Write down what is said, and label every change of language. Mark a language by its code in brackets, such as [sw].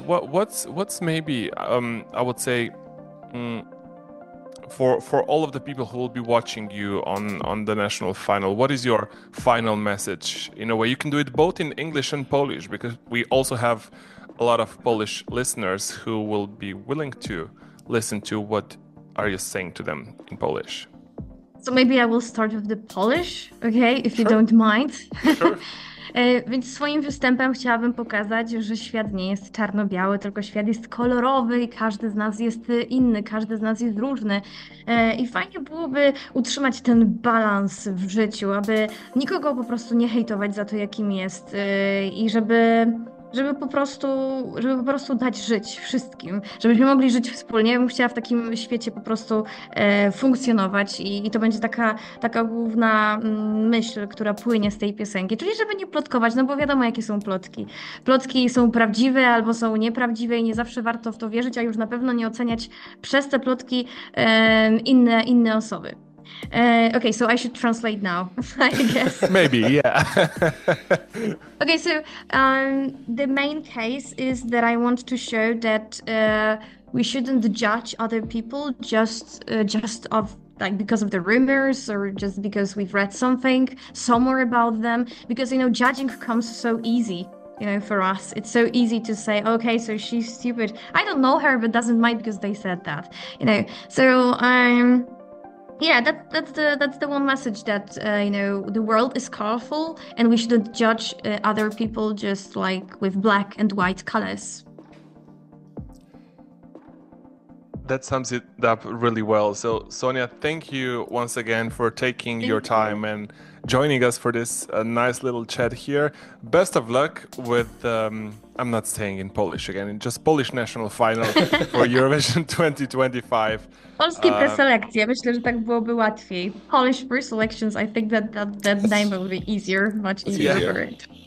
[en] What's maybe I would say for all of the people who will be watching you on the national final, what is your final message? In a way, you can do it both in English and Polish because we also have a lot of Polish listeners who will be willing to listen to what are you saying to them in Polish. So maybe I will start with the Polish, okay, if you Sure. don't mind. Sure. [pl] Więc swoim występem chciałabym pokazać, że świat nie jest czarno-biały, tylko świat jest kolorowy i każdy z nas jest inny, każdy z nas jest różny. I fajnie byłoby utrzymać ten balans w życiu, aby nikogo po prostu nie hejtować za to, jakim jest, i żeby żeby po prostu dać żyć wszystkim, żebyśmy mogli żyć wspólnie. Ja bym chciała w takim świecie po prostu funkcjonować i to będzie taka główna myśl, która płynie z tej piosenki. Czyli żeby nie plotkować, no bo wiadomo, jakie są plotki. Plotki są prawdziwe albo są nieprawdziwe i nie zawsze warto w to wierzyć, a już na pewno nie oceniać przez te plotki inne osoby. [en] Okay, so I should translate now, I guess. Maybe, yeah. Okay, so the main case is that I want to show that we shouldn't judge other people just of like because of the rumors or just because we've read something somewhere about them, because you know judging comes so easy. You know, for us, it's so easy to say, okay, so she's stupid. I don't know her, but doesn't mind because they said that. You know, so that's the one message that you know, the world is colorful, and we shouldn't judge other people just like with black and white colors. That sums it up really well. So, Sonia, thank you once again for taking your time and joining us for this nice little chat here. Best of luck with, I'm not saying in Polish again, just Polish national final for Eurovision 2025. [pl] Polskie preselekcje, myślę, że tak byłoby łatwiej. [en] Polish preselections, I think that name will be easier, much easier for it.